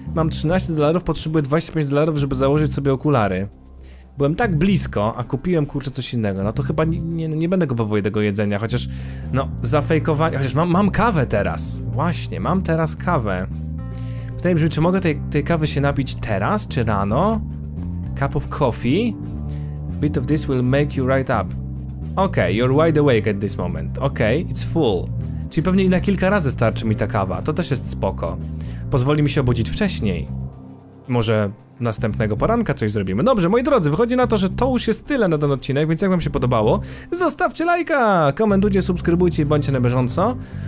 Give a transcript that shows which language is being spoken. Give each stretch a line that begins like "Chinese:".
Polish: Mam 13 dolarów, potrzebuję 25 dolarów, żeby założyć sobie okulary. Byłem tak blisko, a kupiłem, kurczę, coś innego. No to chyba nie będę kupował tego jedzenia, chociaż... No, zafejkowanie... Chociaż mam kawę teraz. Właśnie, mam teraz kawę. Pytanie brzmi, czy mogę tej kawy się napić teraz, czy rano?
English: Cup of coffee? Bit of this will make you right up. Okay, you're wide awake at this moment. Okay, it's full.
Polish: Czyli pewnie na kilka razy starczy mi ta kawa. To też jest spoko. Pozwoli mi się obudzić wcześniej. Może następnego poranka coś zrobimy. Dobrze, moi drodzy, wychodzi na to, że to już jest tyle na ten odcinek, więc jak wam się podobało, zostawcie lajka, komentujcie, subskrybujcie i bądźcie na bieżąco.